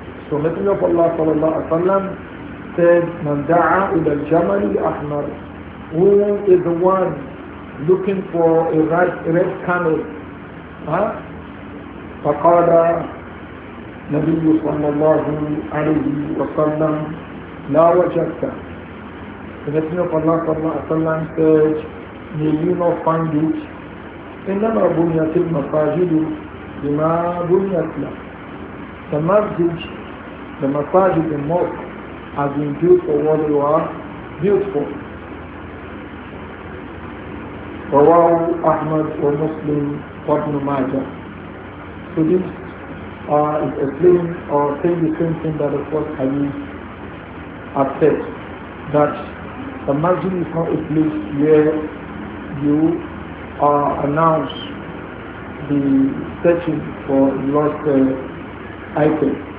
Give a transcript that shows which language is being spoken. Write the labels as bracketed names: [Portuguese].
[English] So Messenger of Allah sallallahu alayhi wa sallam said, [Arabic] "Man da'a ila al-jamali ahmar," [English] who is the one looking for a red camel? [Arabic] Faqala Nabiyyu sallallahu alayhi wa sallam, "La wajadta." [English] The Messenger of Allah sallallahu alayhi wa sallam said, "May you not find it." [Arabic] إنما بنيت المساجد بما بنيت له. [English] The masjid, the masjid, the mosque, has been built for what you are built for. [Arabic] رواه أحمد ومسلم وابن ماجه. [English] So this is explaining or saying the same thing that the first hadith has said. that the masjid is not a place where you announce the searching for lost item.